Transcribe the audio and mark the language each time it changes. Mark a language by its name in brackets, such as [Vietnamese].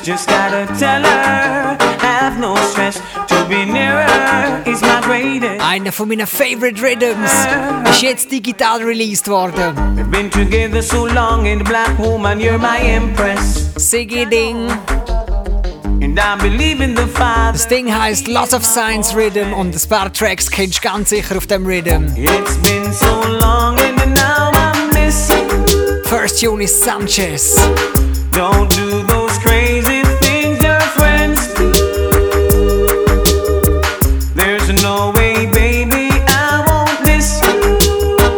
[English] Just gotta tell her, have no stress. To be nearer is my greatest. [German] Einer von meinen [English] favorite rhythms. [German] Ist jetzt digital released worden. [English] We've been together so long, and black woman, you're my empress. Siggy Ding. And I believe in the Father. [German] Das Ding heisst Lots of Signs Rhythm und ein paar Tracks kennst du ganz sicher auf dem Rhythm. [English] It's been so long and now I'm missing. First tune is Sanchez. Don't do those crazy things your friends do. There's no way, baby, I won't miss you.